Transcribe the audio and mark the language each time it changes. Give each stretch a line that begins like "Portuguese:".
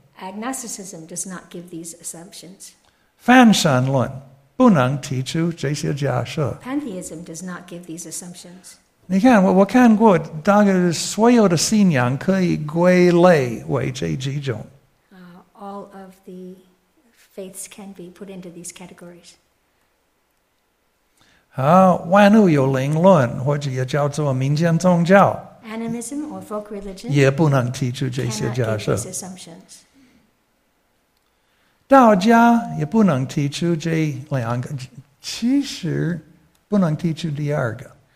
English: Agnosticism does not give these assumptions.
Chinese: 泛神论不能提出这些假设。
English: Pantheism does not give these assumptions.
Chinese: 你看，我看过大概所有的信仰可以归类为这几种。
English: All of the faiths can be put into these categories.
Chinese: 好，万物有灵论，或者也叫做民间宗教。
English: Animism or folk religion
Chinese: 也不能提出这些假设。
English: Cannot give these assumptions.
Chinese: 道家也不能提出这两个，其实不能提出第二个。